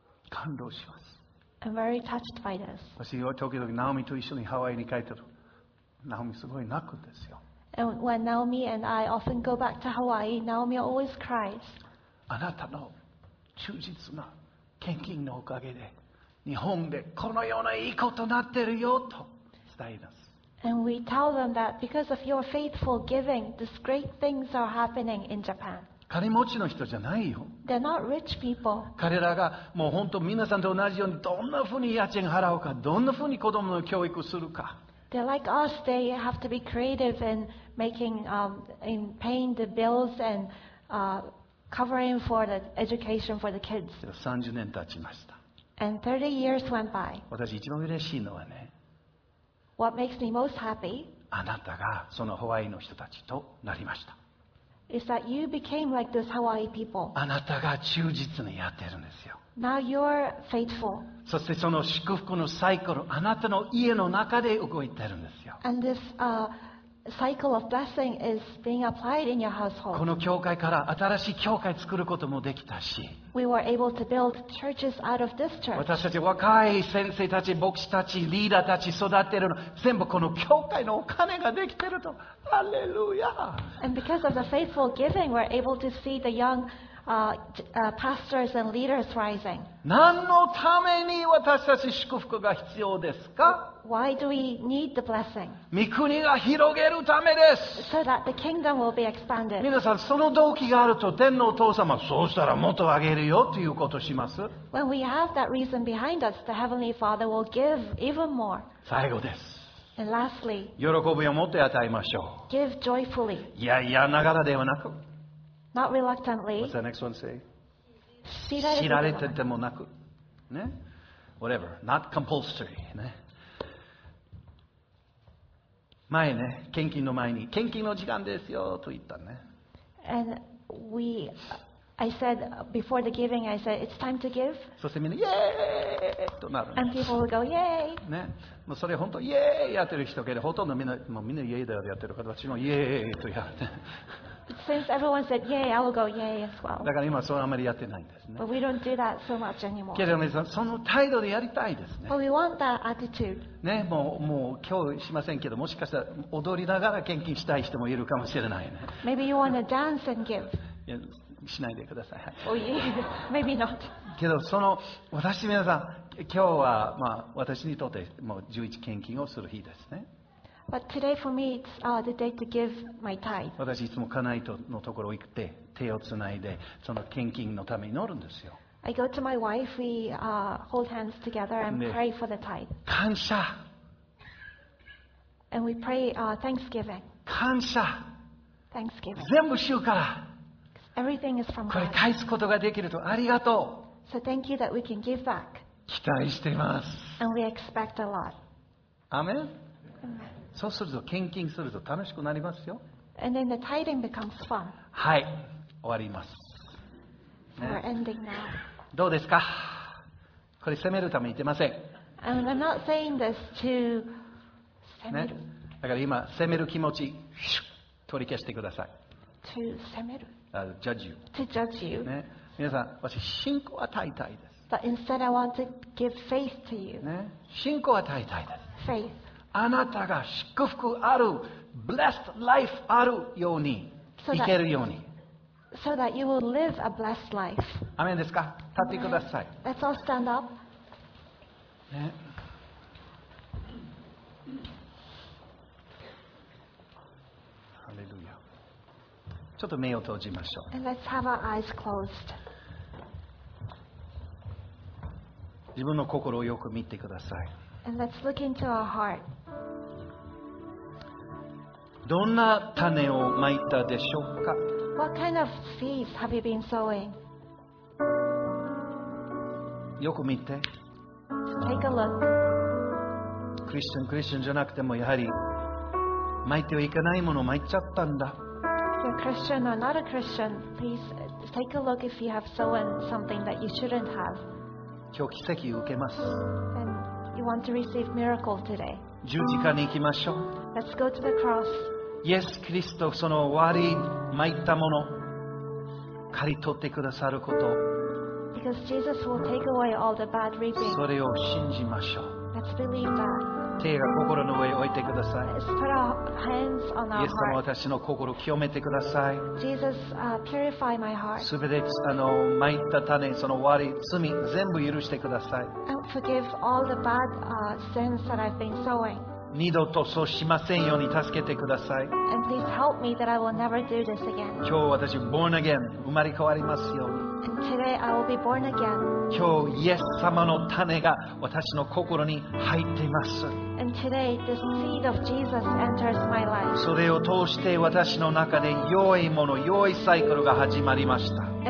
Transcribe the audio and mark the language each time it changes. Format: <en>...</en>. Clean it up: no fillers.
<ja>感動します。</ja> <en>I'm very touched by this.</en> <ja>私は時々ナオミと一緒にハワイに帰ってる。ナオミすごい泣くんですよ。</ja> <en>And when Naomi and I often go back to Hawaii, Naomi always cries.</en> <ja>あなたの忠実な献金のおかげで日本でこのようないいことになってるよと伝えます。</ja> <en>And we tell them that because of your faithful giving, these great things are happening in Japan.</en> <ja>金持ちの人じゃないよ。</ja> <en>They're not rich people.</en> <ja>彼らがもう本当皆さんと同じようにどんなふうに家賃払うか、どんなふうに子供の教育するか。</ja> <en>They're like us. They have to be creative in making, in paying the bills and, covering for the education for the kids.</en> <ja>30年経ちました。</ja> <en>And 30 years went by.</en> <ja>私一番嬉しいのはね。</ja> <en>What makes me most happy?</en> <ja>あなたがそのハワイの人たちとなりました。</ja> <en>is that you became like those Hawaii people.</en> <ja>あなたが忠実にやってるんですよ。</ja> <en>Now you're faithful.</en> <ja>そしてその祝福のサイクル、あなたの家の中で動いてるんですよ。</ja> <en>And this, cycle of blessing is being applied in your household.</en> <ja>この教会から新しい教会作ることもできたし、</ja> <en>We were able to build churches out of this church.</en> <ja>私たち若い先生たち、牧師たち、リーダーたち育てるの、全部この教会のお金ができてると。ハレルヤ。</ja> <en>And because of the faithful giving, we're able to see the young, pastors and leaders rising.</en> <ja>何のために私たち祝福が必要ですか？</ja> <en>Why do we need the blessing?</en> <ja>御国が広げるためです。</ja> <en>So that the kingdom will be expanded.</en> <ja>皆さん、その動機があると天のお父様、そうしたらもっとあげるよということをします。</ja> <en>When we have that reason behind us, the Heavenly Father will give even more.</en> <ja>最後です。</ja> <en>And lastly,</en> <ja>喜びをもっと与えましょう。</ja> <en>Give joyfully.</en> <ja>いやいやながらではなく。</ja> <en>Not reluctantly. What's the next one say?</en> <ja>知られててもなく。ね。</ja> <en>Whatever. Not compulsory.</en> <ja>ね。前ね、献金の前に、献金の時間ですよと言ったね。</ja> <en>And we, I said before the giving, I said it's time to give.</en> <ja>そしてみんなイエーイとなる、ね。</ja> <en>And people will go yay.</en> <ja>ね、もうそれ本当イエーイやってる人けど、ほとんどみんなもうみんなイエーイだよでやってる方、私もイエーイとやって。</ja> <en>Since everyone said yay, I will go yay as well.</en> <ja>だから今それあまりやってないんですね。</ja> <en>But we don't do that so much anymore.</en> <ja>けれども、その態度でやりたいですね。</ja> <en>But we want that attitude.</en> <ja>ね、もう今日しませんけど、もしかしたら踊りながら献金したい人もいるかもしれないね。</ja> <en>Maybe you want to dance and give.</en> <ja>いや、しないでください。</ja> <en>Oh yeah, maybe not.</en> <ja>けど、その、私皆さん、今日は、まあ、私にとってもう11献金をする日ですね。</ja> <en>But today for me, it's the day to give my tithe.</en> <ja>私いつも家内のところ行って手をつないでその献金のために祈るんですよ。</ja> <en>I go to my wife. We hold hands together and pray for the tithe.</en> <ja>感謝。</ja> <en>And we pray thanksgiving.</en> <ja>感謝。</ja> <en>Thanksgiving.</en> <ja>全部主から。</ja> <en>Everything is from God.</en> <ja>これ返すことができるとありがとう。</ja> <en>So thank you that we can give back.</en> <ja>期待しています。</ja> <en>And we expect a lot. Amen.</en> <ja>そうすると献金すると楽しくなりますよ。</ja> <en>And then the tithing becomes fun.</en> <ja>はい、終わります。</ja> <en>So we're ending now.</en> <ja>どうですか？これ責めるために言ってません。</ja> <en>And I'm not saying this to</en> <ja>責める。ね、だから今責める気持ち、シュッ取り消してください。</ja> <en>To</en> <ja>責める。</ja> <en>Judge you. To judge you.</en> <ja>ね、皆さん、私信仰は与えたいです。</ja> <en>But instead I want to give faith to you.</en> <ja>ね、信仰は与えたいです。</ja> <en>Faith.</en> <ja>あなたが祝福ある、</ja> <en>blessed life</en> <ja>あるように、いけるように。</ja> <en>So that you will live a blessed life.</en> <ja>アメンですか？立ってください。</ja> <en>Let's all stand up.</en> <ja>ね。ハレルヤ。ちょっと目を閉じましょう。</ja> <en>And let's have our eyes closed.</en> <ja>自分の心をよく見てください。</ja> <en>And let's look into our heart.</en> <ja>どんな種をまいたでしょうか。</ja> <en>What kind of seeds have you been sowing?</en> <ja>よく見て。</ja> <en>So take a look.</en> <ja>クリスチャンじゃなくてもやはりまいてはいけないものをまいちゃったんだ。</ja> <en>If you're a Christian or not a Christian, please take a look if you have sown something that you shouldn't have.</en> <ja>今日奇跡受けます。</ja> <en>Then you want to receive miracle today.</en> <ja>十字架に行きましょう。</ja> <en>Let's go to the cross.</en> <ja>イエス・キリスト、その割り巻いたもの、刈り取ってくださること。</ja> <en>Because Jesus will take away all the bad reaping.</en> <ja>それを信じましょう。</ja> <en>Let's believe that.</en> <ja>手が心の上に置いてください。</ja> <en>Let's put our hands on our heart.</en> <ja>イエス様、私の心を清めてください。</ja> <en>Jesus, purify my heart.</en> <ja>すべて巻いた種、その割り、罪、全部許してください。</ja> <en>And forgive all the bad, sins that I've been sowing.</en> <ja>二度とそうしませんように助けてください。</ja> <en>And please help me that I will never do this again.</en> <ja>今日私</ja> <en>born again</en> <ja>生まれ変わりますように。</ja> <en>And today I will be born again.</en> <ja>今日イエス様の種が私の心に入っています。</ja> <en>And today the seed of Jesus enters my life.</en> <ja>それを通して私の中で良いもの、良いサイクルが始まりました。</ja>